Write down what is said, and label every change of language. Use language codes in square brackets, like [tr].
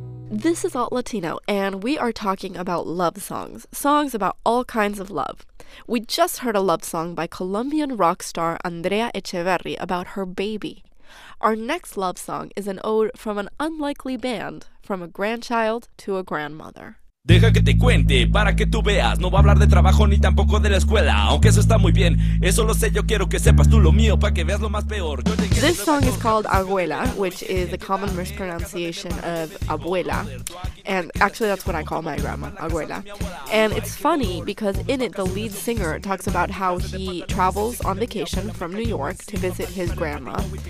[en] This is Alt Latino, and we are talking about love songs, songs about all kinds of love. We just heard a love song by Colombian rock star Andrea Echeverri about her baby. Our next love song is an ode from an unlikely band, from a grandchild to a grandmother. [es] Deja que te cuente para que tú veas. No va a hablar de trabajo ni tampoco de la escuela. Aunque eso está muy bien. Eso lo sé, yo quiero que sepas tú lo mío para que veas lo más peor. [en] This song is called Abuela, which is a common mispronunciation of abuela. And actually that's what I call my grandma, abuela. And it's funny because in it the lead singer talks about how he travels on vacation from New York to visit his grandma.